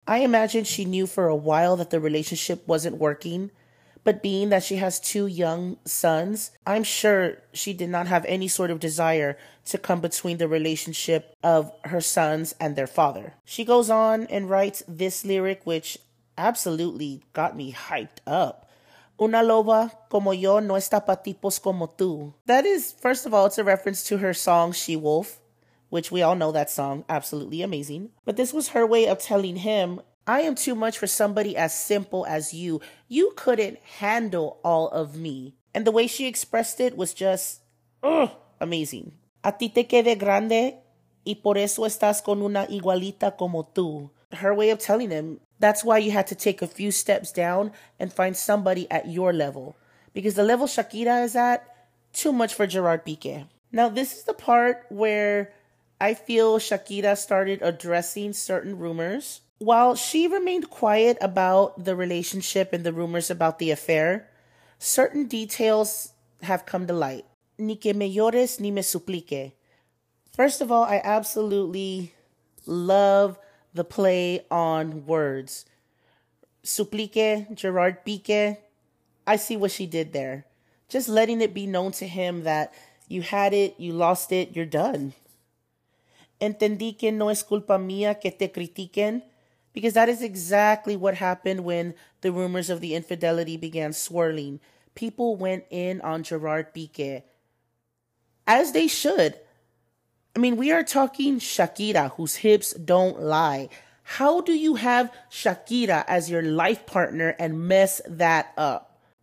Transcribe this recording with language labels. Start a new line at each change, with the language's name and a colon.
English: I imagine she knew for a while that the relationship wasn't working, but being that she has two young sons, I'm sure she did not have any sort of desire to come between the relationship of her sons and their father. She goes on and writes this lyric, which absolutely got me hyped up.
Spanish: Una loba como yo no está pa tipos como tú.
English: That is, first of all, it's a reference to her song She-Wolf, which we all know that song. Absolutely amazing. But this was her way of telling him, I am too much for somebody as simple as you. You couldn't handle all of me. And the way she expressed it was just, amazing.
Spanish: A ti te quedé grande y por eso estás con una igualita como tú.
English: Her way of telling him, that's why you had to take a few steps down and find somebody at your level. Because the level Shakira is at, too much for Gerard Piqué. Now, this is the part where I feel Shakira started addressing certain rumors. While she remained quiet about the relationship and the rumors about the affair, certain details have come to light.
Spanish: Ni que me llores ni me suplique.
English: First of all, I absolutely love the play on words. Suplique, Gerard Pique. I see what she did there. Just letting it be known to him that you had it, you lost it, you're done.
Spanish: Entendí que no es culpa mía que te critiquen.
English: Because that is exactly what happened when the rumors of the infidelity began swirling. People went in on Gerard Pique. As they should. I mean, we are talking Shakira, whose hips don't lie. How do you have Shakira as your life partner and mess that up?